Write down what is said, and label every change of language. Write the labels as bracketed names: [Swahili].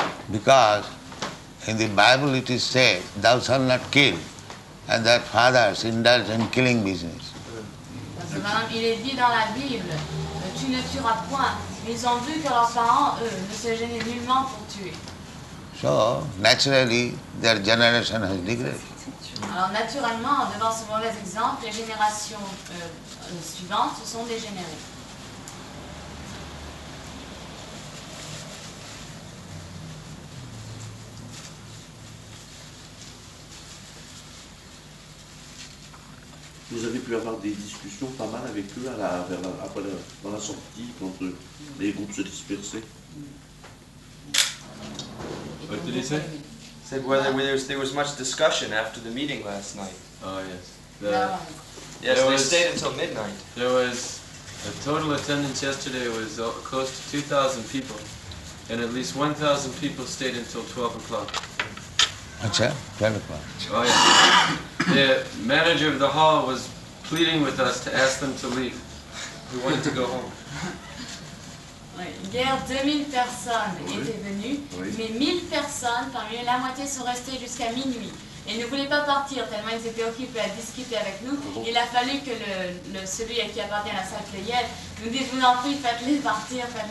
[English] Because in the Bible it is said, thou shalt not kill, and their fathers indulge in killing business. [French] Il est dit dans la Bible, tu ne tueras point. Ils ont vu que leurs parents, eux, ne se gênaient nullement pour tuer. [English] So, naturally, their generation has degraded. [French] Alors, naturellement, devant ce mauvais exemple, les générations suivantes se sont dégénérées. Vous avez pu avoir des discussions pas mal avec eux dans la sortie, quand les groupes se dispersaient. [English] What did he say? He said there was much discussion after the meeting last night. Oh, yes. They stayed until midnight. There was a total attendance yesterday, it was close to 2,000 people. And at least 1,000 people stayed until 12 o'clock. What's that? 12 o'clock. Oh, yeah. The manager of the hall was pleading with us to ask them to leave. We wanted to go home. [French] Hier, 2000 personnes étaient venues, mais 1000 personnes, parmi la moitié, sont restées jusqu'à minuit. Et ne voulaient pas partir, tellement ils étaient occupés à discuter avec nous. Il a fallu que celui à qui appartient la salle Cléiel nous dise, vous en prie, faites-les partir.